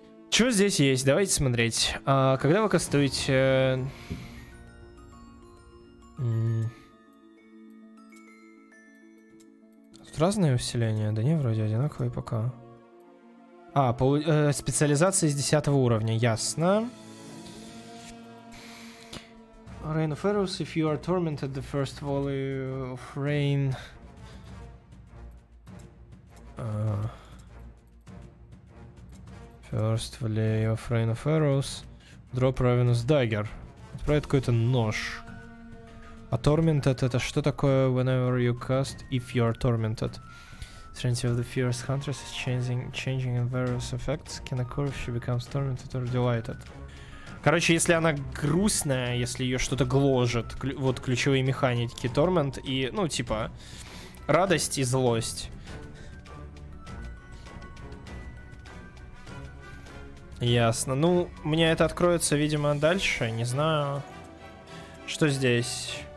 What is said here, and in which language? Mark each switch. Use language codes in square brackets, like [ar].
[ru] Чё здесь есть? Давайте смотреть. А, когда вы кастуете... Тут разные усиления? Да не, вроде одинаковые пока. А, специализация с 10 уровня, ясно. [en] Rain of Eros, if you are tormented the first volley of rain... First volley of Rain of Eros, drop Ravenous Dagger. [ru] Отправит какой-то нож. А tormented это что такое? [en] Whenever you cast, if you are tormented. Strength of the fierce huntress is changing in various effects. Can occur if she becomes tormented or delighted. [ru] Короче, если она грустная, если ее что-то гложет, вот ключевые механики, torment и, ну, типа, радость и злость. Ясно. Ну, у меня это откроется, видимо, дальше. Не знаю, что здесь...